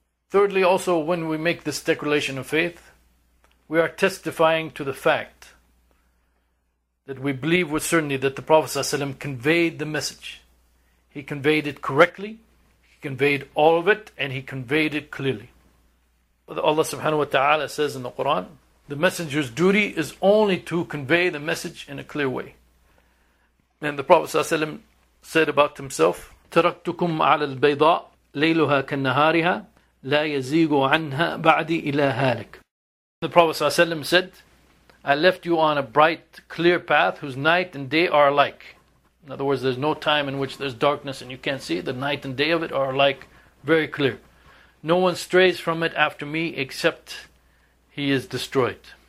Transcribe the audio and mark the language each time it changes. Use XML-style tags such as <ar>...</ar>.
<en>Thirdly, also when we make this declaration of faith, we are testifying to the fact that we believe with certainty that the Prophet ﷺ conveyed the message. He conveyed it correctly, he conveyed all of it, and he conveyed it clearly. Allah subhanahu wa ta'ala says in the Quran, the messenger's duty is only to convey the message in a clear way. And the Prophet ﷺ said about himself,</en> <ar>تَرَكْتُكُمْ عَلَى الْبَيْضَاءِ لَيْلُهَا كَالنَّهَارِهَا لَا يَزِيغُ عَنْهَا بَعْدِ إِلَى هَالِكَ.</ar> <en>The Prophet ﷺ said, I left you on a bright, clear path whose night and day are alike. In other words, there's no time in which there's darkness and you can't see. The night and day of it are alike, very clear. No one strays from it after me except he is destroyed.</en>